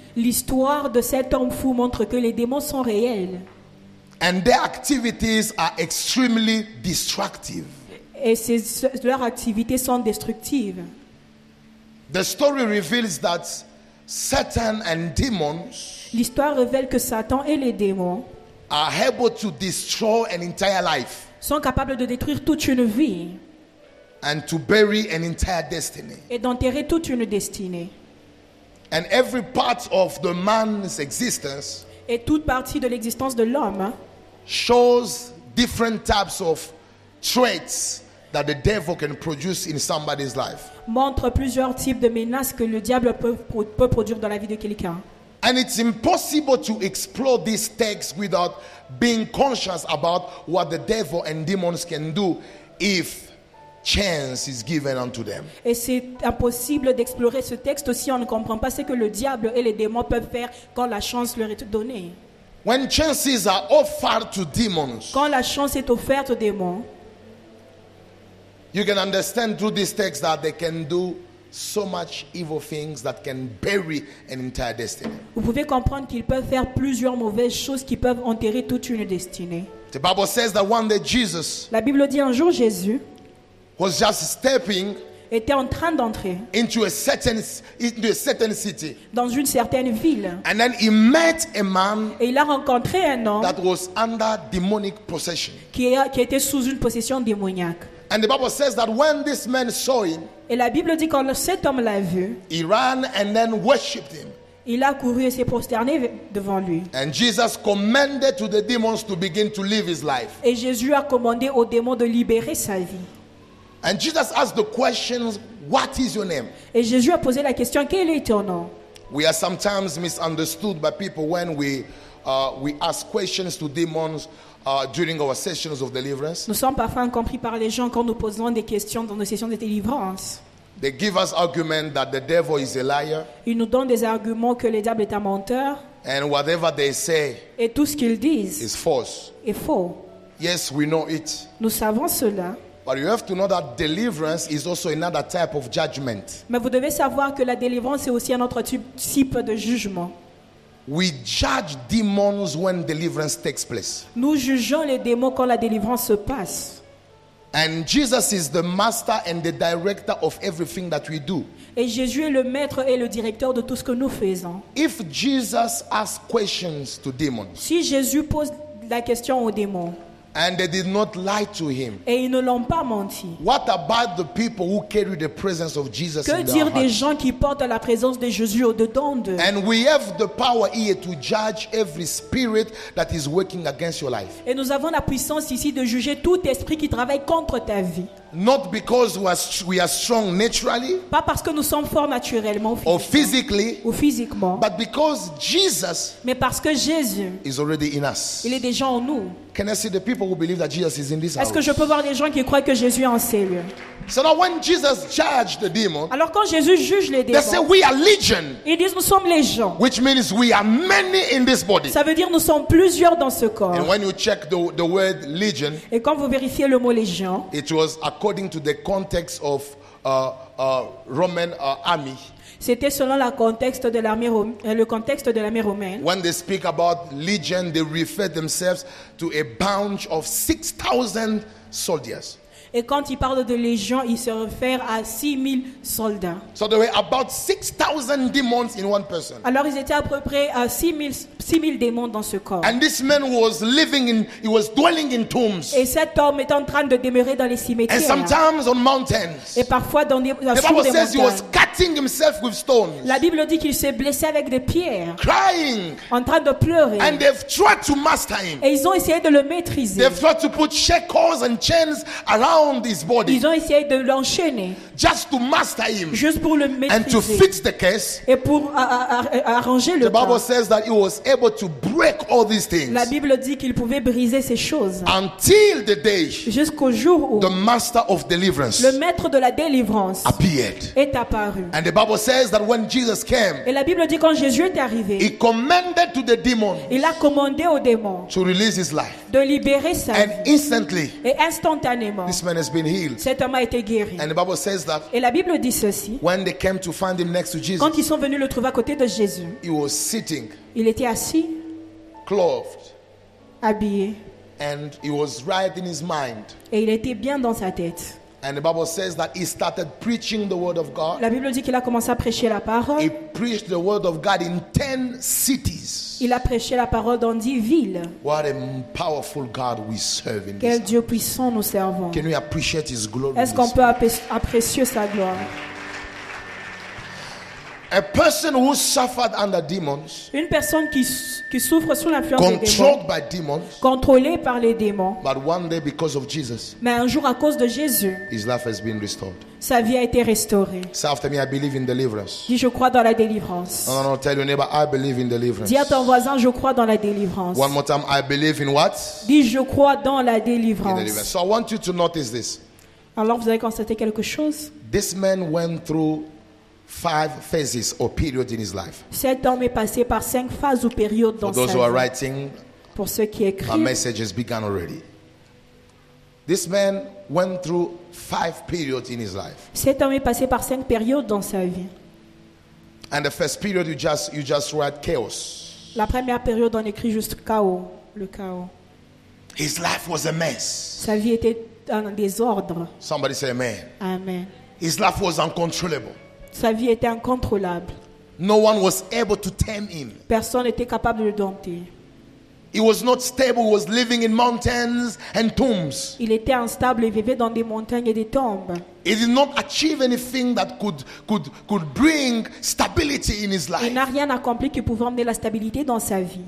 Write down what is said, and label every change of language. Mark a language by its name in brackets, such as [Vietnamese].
[French] L'histoire de cet homme fou montre que les démons sont réels. [English] And their activities are extremely destructive. [French] Et leurs activités sont destructives. [English] The story reveals that Satan and demons. [French] L'histoire révèle que Satan et les démons [English] are able to destroy an entire life. [French] Sont capables de détruire toute une vie. [English] And to bury an entire destiny. [French] Et d'enterrer toute une destinée. [English] And every part of the man's existence. [French] Et toute partie de l'existence de l'homme. [English] Shows different types of traits that the devil can produce in somebody's life. [French] Montre plusieurs types de menaces que le diable peut produire dans la vie de quelqu'un. [English] And it's impossible to explore this text without being conscious about what the devil and demons can do if chance is given unto them. [French] Et c'est impossible d'explorer ce texte si on ne comprend pas ce que le diable et les démons peuvent faire quand la chance leur est donnée. [English] When chances are offered to demons, [French] quand la chance est offerte aux démons, [English] you can understand through this text that they can do so much evil things that can bury an entire destiny. [French] Vous pouvez comprendre qu'ils peuvent faire plusieurs mauvaises choses qui peuvent enterrer toute une destinée. [English] The Bible says that one day Jesus, [French] la Bible dit un jour Jésus, [English] was just stepping, [French] était en train d'entrer, [English] into a certain city, [French] dans une certaine ville. [English] And then he met a man, [French] et il a rencontré un homme, [English] that was under demonic possession, [French] qui était sous une possession démoniaque. [English] And the Bible says that when this man saw him, [French] et la Bible dit quand cet homme l'a vu, [English] he ran and then worshipped him. [French] Il a couru et s'est prosterné devant lui. [English] And Jesus commanded to the demons to begin to live his life. [French] Et Jésus a commandé aux démons de libérer sa vie. [English] And Jesus asked the question, "What is your name?" [French] Et Jésus a posé la question, quel est ton nom? [English] We are sometimes misunderstood by people when we ask questions to demons during our sessions of deliverance. [French] Nous sommes parfois incompris par les gens quand nous posons des questions dans nos sessions de délivrance. [English] They give us arguments that the devil is a liar. [French] Ils nous donnent des arguments que le diable est un menteur. [English] And whatever they say, [French] et tout ce qu'ils disent, [English] is false. [French] Est faux. [English] Yes, we know it. [French] Nous savons cela. [English] But you have to know that deliverance is also another type of judgment. [French] Mais vous devez savoir que la délivrance est aussi un autre type de jugement. [English] We judge demons when deliverance takes place. [French] Nous jugeons les démons quand la délivrance se passe. [English] And Jesus is the master and the director of everything that we do. [French] Et Jésus est le maître et le directeur de tout ce que nous faisons. [English] If Jesus asks questions to demons, [French] si Jésus pose la question aux démons, [English] And they did not lie to him. [French] Et ils ne l'ont pas menti. [English] What about the people who carry the presence of Jesus [French] que [English] in their hearts? [French] Que dire des gens qui portent la présence de Jésus au-dedans d'eux? [English] And we have the power here to judge every spirit that is working against your life. [French] Et nous avons la puissance ici de juger tout esprit qui travaille contre ta vie. [English] Not because we are strong naturally. [French] Pas parce que nous sommes forts naturellement. [English] Or physically. [French] Ou physiquement. [English] But because Jesus. [French] Mais parce que Jésus. [English] Is already in us. [French] Il est déjà en nous. [English] Can I see the people who believe that Jesus is in this house? [French] Est-ce que je peux voir les gens qui croient que Jésus est en ces lieux? [English] So now when Jesus judged the demon. [French] Alors quand Jésus juge les démons. [English] They say we are legion. [French] Ils disent nous sommes légion. [English] Which means we are many in this body. [French] Ça veut dire nous sommes plusieurs dans ce corps. [English] And when you check the word legion. [French] Et quand vous vérifiez le mot légion. [English] It was according to the context of Roman army. [French] C'était selon la contexte de l'armée le contexte de l'armée romaine. [English] When they speak about legion, they refer themselves to a bunch of 6,000 soldiers. [French] Et quand ils parlent de légion, ils se réfèrent à 6,000 soldats. [English] So there were about 6,000 demons in one person. [French] Alors ils étaient à peu près à 6,000 démons dans ce corps. [English] And this man was living in, he was dwelling in tombs. [French] Et cet homme est en train de demeurer dans les cimetières. [English] And sometimes on mountains. [French] Et parfois dans des sur des montagnes. [English] The Bible says he was cutting himself with stones. [French] La Bible dit qu'il s'est blessé avec des pierres. [English] Crying. [French] En train de pleurer. [English] And they've tried to master him. [French] Et ils ont essayé de le maîtriser. [English] They've tried to put shackles and chains around. His body, [French] ils ont essayé de l'enchaîner, [English] just to master him, [French] juste pour le maîtriser, [English] and to fix the case, [French] et pour arranger le. [English] The Bible says that he was able to break all these things. [French] La Bible dit qu'il pouvait briser ces choses. [English] Until the day, [French] jusqu'au jour où [English] the master of deliverance, [French] le maître de la délivrance, [English] appeared, [French] est apparu. [English] And the Bible says that when Jesus came, [French] et la Bible dit quand Jésus est arrivé, [English] he commanded to the demon, [French] il a commandé aux démons, [English] to release his life, [French] de libérer sa [English] and [French] vie, [English] and instantly, [French] et instantanément. [English] This man has been healed. [French] Cet homme a été guéri. [English] And the Bible says that. [French] Et la Bible dit ceci. [English] When they came to find him next to Jesus. [French] Quand ils sont venus le trouver à côté de Jésus. [English] He was sitting. [French] Il était assis. [English] Clothed. [French] Habillé. [English] And he was right in his mind. [French] Et il était bien dans sa tête. [English] And the Bible says that he started preaching the word of God. [French] La Bible dit qu'il a commencé à prêcher la parole. [English] He preached the word of God in 10 cities. [French] Il a prêché la parole dans 10 villes. [English] What a powerful God we serve in [French] Quel [English] this [French] Dieu puissant nous servons. [English] Can we appreciate his glory? [French] Est-ce qu'on peut apprécier sa gloire? [English] A person who suffered under demons. [French] Une personne qui souffre sous l'influence des démons. [English] Controlled by demons. [French] Contrôlée par les démons. [English] But one day because of Jesus. [French] Mais un jour à cause de Jésus. [English] His life has been restored. [French] Sa vie a été restaurée. [English] Say after me, I believe in deliverance. [French] Dis, je crois dans la délivrance. [English] No, tell your neighbor, I believe in deliverance. [French] Dis à ton voisin, je crois dans la délivrance. [English] One more time, I believe in what? [French] Dis, je crois dans la délivrance. [English] In deliverance. So I want you to notice this. [French] Alors vous avez constaté quelque chose? [English] This man went through 5 phases or periods in his life. [French] Cet homme est passé par 5 phases ou périodes dans sa vie. [English] For those who are writing, [French] pour ceux qui écrivent, [English] my message has begun already. This man went through 5 periods in his life. [French] Cet homme est passé par 5 périodes dans sa vie. [English] And the first period you just write chaos. [French] La première période on écrit juste chaos, le chaos. [English] His life was a mess. [French] Sa vie était un désordre. [English] Somebody say amen. Amen. His life was uncontrollable. [French] Sa vie était incontrôlable. [English] No one was able to tame him. [French] Personne n'était capable de le dompter. [English] He was not stable, he was living in mountains and tombs. [French] Il était instable et vivait dans des montagnes et des tombes. [English] He did not achieve anything that could bring stability in his life. [French] Il n'a rien accompli qui pouvait amener la stabilité dans sa vie.